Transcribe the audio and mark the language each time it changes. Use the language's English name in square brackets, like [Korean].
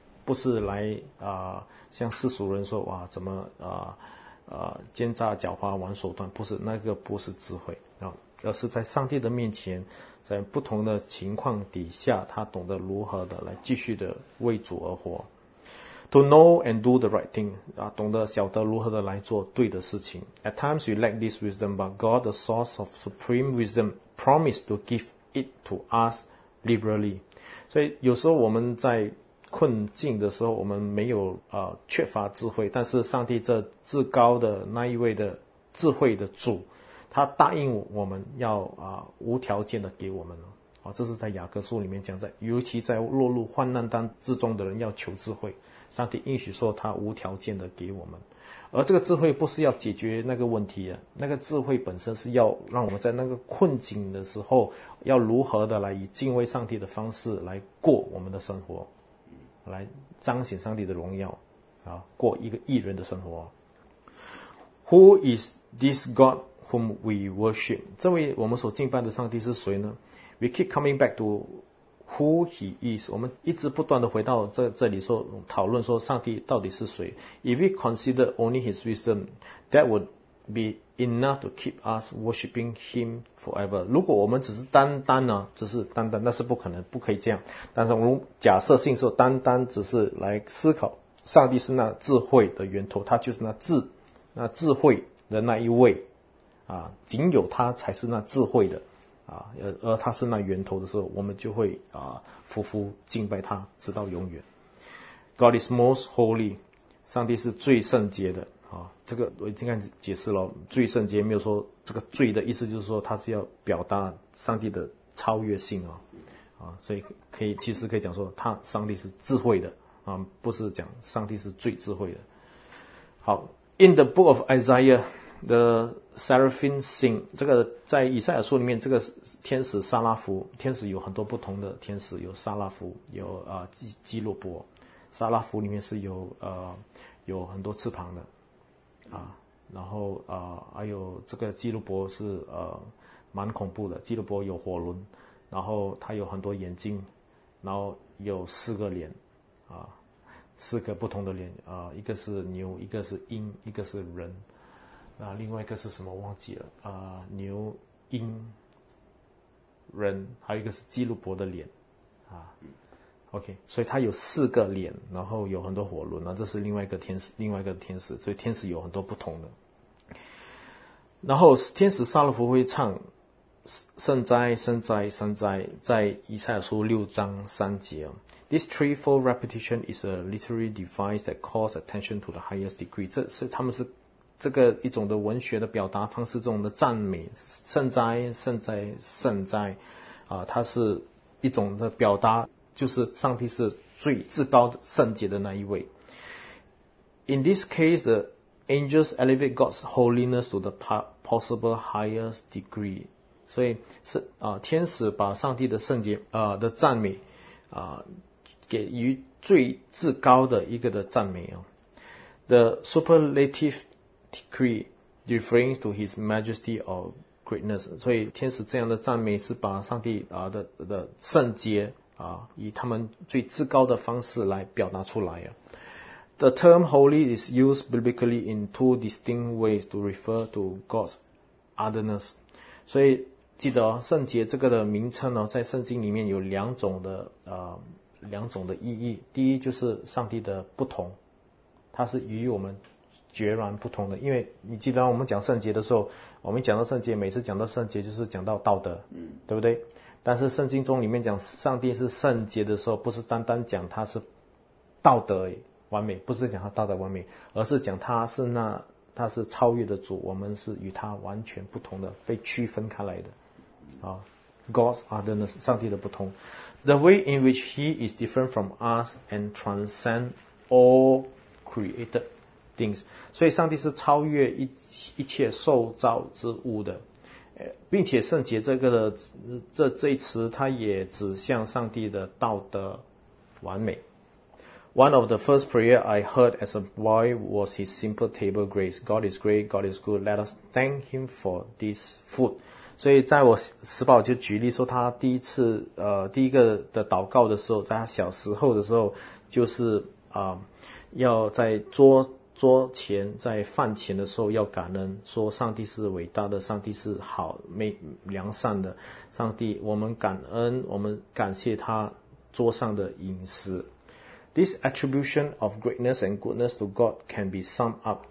[Chinese] 不是来像世俗人说哇怎么奸诈狡猾玩手段，不是那个，不是智慧而是在上帝的面前，在不同的情况底下，他懂得如何的来继续的为主而活。 [English] To know and do the right thing [Chinese] 懂得晓得如何的来做对的事情。 [English] At times we lack this wisdom, but God, the source of supreme wisdom, promised to give it to us liberally. [Chinese] 所以有时候我们在困境的时候，我们没有缺乏智慧，但是上帝这至高的那一位的智慧的主，他答应我们要无条件的给我们了，啊，这是在雅各书里面讲，在尤其在落入患难当之中的人要求智慧，上帝应许说他无条件的给我们。而这个智慧不是要解决那个问题的，那个智慧本身是要让我们在那个困境的时候要如何的来以敬畏上帝的方式来过我们的生活，来彰显上帝的荣耀啊，过一个义人的生活。 [English] Who is this God whom we worship? [Chinese] 这位我们所敬拜的上帝是谁呢？ [English] We keep coming back to who he is. [Chinese] 我们一直不断地回到 这里说讨论说上帝到底是谁。 [English] If we consider only his wisdom, that would be enough to keep us worshipping him forever. [Chinese] 如果我们只是单单呢，只是单单，那是不可能，不可以这样。但是我们假设性说单单只是来思考上帝是那智慧的源头，他就是那智慧的那一位啊，仅有他才是那智慧的啊，而他是那源头的时候，我们就会啊服服敬拜他直到永远。 [English] God is most holy, [Chinese] 上帝是最圣洁的啊。这个我已经刚解释了，最圣洁没有说这个罪的意思，就是说他是要表达上帝的超越性啊啊，所以可以其实可以讲说他上帝是智慧的啊，不是讲上帝是最智慧的。 [English] 好， In the book of Isaiah, the Seraphim sing. [Chinese] 这个在以赛亚书里面，这个天使撒拉弗，天使有很多不同的天使，有撒拉弗，有基洛伯。撒拉弗里面是有很多翅膀的啊，然后还有这个基洛伯是蛮恐怖的，基洛伯有火轮，然后他有很多眼睛，然后有四个脸。啊，四个不同的脸啊，一个是牛，一个是鹰，一个是人，那、啊、另外一个是什么忘记了啊？牛、鹰、人，还有一个是基路伯的脸啊。 OK， 所以他有四个脸，然后有很多火轮啊，这是另外一个天使，另外一个天使，所以天使有很多不同的。然后天使撒勒弗会唱圣哉圣哉圣哉，在以赛亚书六章三节。 [English] This threefold repetition is a literary device that calls attention to the highest degree. [Chinese] 这是他们是这个一种的文学的表达方式，这种的赞美，圣哉圣哉圣哉，它是一种的表达，就是上帝是最至高的圣洁的那一位。 [English] In this case, the angels elevate God's holiness to the possible highest degree. [Chinese] 所以是天使把上帝的圣洁的赞美给予最至高的一个的赞美哦。 [English] The superlative decree refers to his majesty or greatness. [Chinese] 所以天使这样的赞美是把上帝的圣洁以他们最至高的方式来表达出来哦。 [English] The term holy is used biblically in two distinct ways to refer to God's otherness. [Chinese] 所以记得哦，圣洁这个的名称哦，在圣经里面有两种的意义。第一就是上帝的不同，它是与我们截然不同的。因为你记得我们讲圣洁的时候，我们讲到圣洁，每次讲到圣洁就是讲到道德，对不对？但是圣经中里面讲上帝是圣洁的时候，不是单单讲他是道德完美，不是讲他道德完美，而是讲他是超越的主，我们是与他完全不同的，被区分开来的啊。 [English] God's otherness, [Chinese] 上帝的不同。 [English] The way in which he is different from us and transcend all created things. [Chinese] 所以上帝是超越 一切受造之物的，并且圣洁这个的 这一词，它也指向上帝的道德完美。 [English] One of the first prayer I heard as a boy was his simple table grace. God is great, God is good, let us thank him for this food. [Chinese] 所以在我时报就举例说，他第一次第一个的祷告的时候，在他小时候的时候，就是要在桌前，在饭前的时候要感恩，说上帝是伟大的，上帝是好美良善的，上帝我们感恩，我们感谢他桌上的饮食。 [English] This attribution of greatness and goodness to God can be summed up.